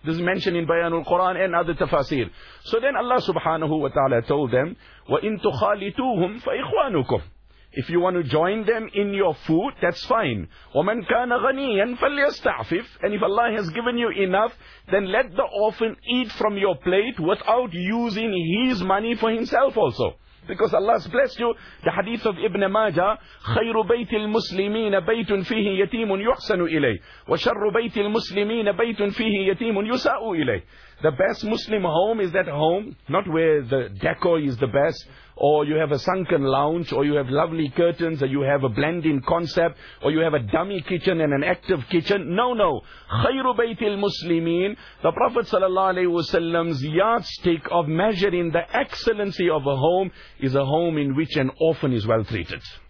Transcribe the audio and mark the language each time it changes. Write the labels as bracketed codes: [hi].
[en] This is mentioned in Bayanul Quran and other tafasir. So then Allah subhanahu wa ta'ala told them, [ar] وَإِن تُخَالِتُوهُمْ فَإِخْوَانُكُمْ. [en] If you want to join them in your food, that's fine. [ar] وَمَنْ كَانَ غَنِيًا فَلْيَسْتَعْفِفْ. [en] And if Allah has given you enough, then let the orphan eat from your plate without using his money for himself also. Because Allah has blessed you. The hadith of Ibn Majah, [ar] خَيْرُ بَيْتِ الْمُسْلِمِينَ بَيْتٌ فِيهِ يَتِيمٌ يُحْسَنُ إِلَيْهِ وَشَرُّ بَيْتِ الْمُسْلِمِينَ بَيْتٌ فِيهِ يَتِيمٌ يُسَاءُ إِلَيْهِ. [en] The best Muslim home is that home, not where the decor is the best, or you have a sunken lounge, or you have lovely curtains, or you have a blending concept, or you have a dummy kitchen and an active kitchen. No. [ar] خَيْرُ بَيْتِ الْمُسْلِمِينَ. [en] The Prophet sallallahu alaihi wasallam's yardstick of measuring the excellency of a home is a home in which an orphan is well treated.